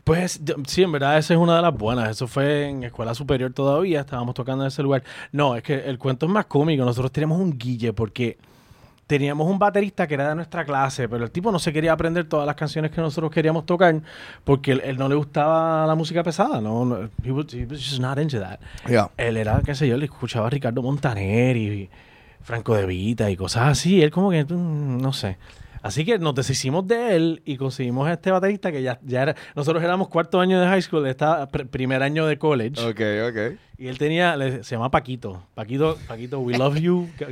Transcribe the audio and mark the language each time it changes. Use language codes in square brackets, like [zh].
[es] Pues sí, en verdad, esa es una de las buenas. Eso fue en escuela superior todavía, estábamos tocando en ese lugar. No, es que el cuento es más cómico. Nosotros teníamos un guille porque teníamos un baterista que era de nuestra clase, pero el tipo no se quería aprender todas las canciones que nosotros queríamos tocar porque él no le gustaba la música pesada. [en] No, he was just not into that. Yeah. [es] Él era, qué sé yo, le escuchaba a Ricardo Montaner y Franco De Vita y cosas así. Él como que, no sé. Así que nos deshicimos de él y conseguimos a este baterista que ya era... Nosotros éramos cuarto año de high school, estaba primer año de college. Ok. Y él tenía... Se llama Paquito. Paquito, [en] we love you.